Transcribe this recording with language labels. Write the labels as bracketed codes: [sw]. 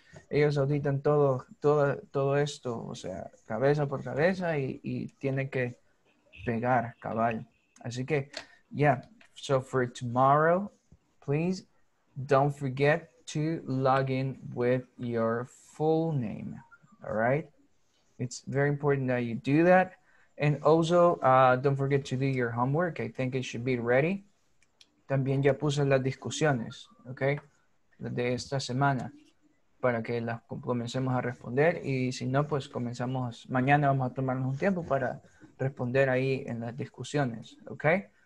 [es] Ellos auditan todo esto, o sea, cabeza por cabeza y tiene que pegar cabal. Así que, yeah. [en] So for tomorrow, please don't forget to log in with your full name. All right? It's very important that you do that. And also, don't forget to do your homework. I think it should be ready. [es] También ya puse las discusiones, [en] okay? [es] Las de esta semana, para que las comencemos a responder. Y si no, pues comenzamos, mañana vamos a tomarnos un tiempo para responder ahí en las discusiones, okay?